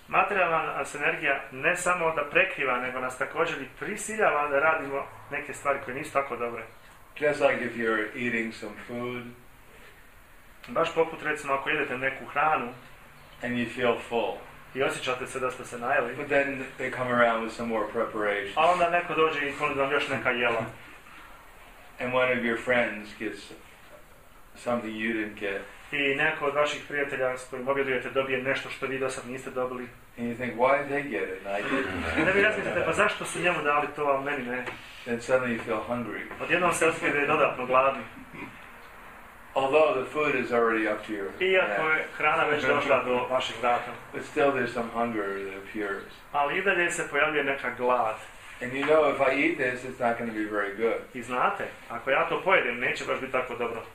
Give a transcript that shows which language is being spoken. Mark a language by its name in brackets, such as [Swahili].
[Bosnian] Materijalna energija ne samo da prekriva, nego nas također i prisiljava da radimo neke stvari koje nisu tako dobre. [English] Just like if you're eating some food. [Bosnian] Baš poput recimo ako jedete neku hranu. [English] And you feel full. [Bosnian] I osjećate se da ste se najeli. [English] But then they come around with some more preparation. [Bosnian] A onda neko dođe i ponudi vam još neka jela. [English] And one of your friends gets something you didn't get. [Bosnian] I neko od vaših prijatelja s kojim objedujete dobije nešto što vi do sad niste dobili. [English] And you think, why did they get it and I didn't? [Bosnian] Ne vi razmislite, pa zašto su njemu dali to, a meni ne? [English] And suddenly you feel hungry. [Bosnian] Odjednom se osjećate dodatno gladni. [English] Although the food is already up to your head. [Bosnian] Iako je hrana već došla do vaših vrata. [English] But still there's some hunger that appears. [Bosnian] Ali i dalje se pojavljuje neka glad. [English] And you know if I eat this it's not going to be very good. [Bosnian] I znate, ako ja to pojedem neće baš biti tako dobro.